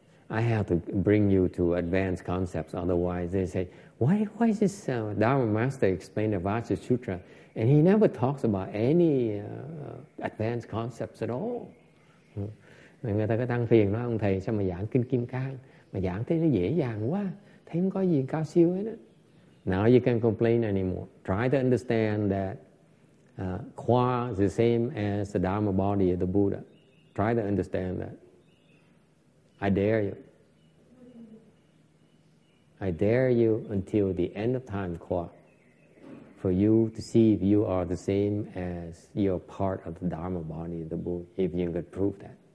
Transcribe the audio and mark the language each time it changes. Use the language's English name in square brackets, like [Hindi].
[English] I have to bring you to advanced concepts. Otherwise, they say, why is this Dharma master explain the Vajra Sutra? And he never talks about any advanced concepts at all. [Vietnamese] Người ta có tăng phiền nói ông thầy sao mà giảng kinh Kim Cang mà giảng thế nó dễ dàng quá, thấy không có gì cao siêu hết á. [English] Now you can't complain anymore. Try to understand that Khoa is the same as the Dharma body of the Buddha. Try to understand that. I dare you. I dare you until the end of time, Khoa, for you to see if you are the same as you're part of the Dharma body of the Buddha, if you could prove that.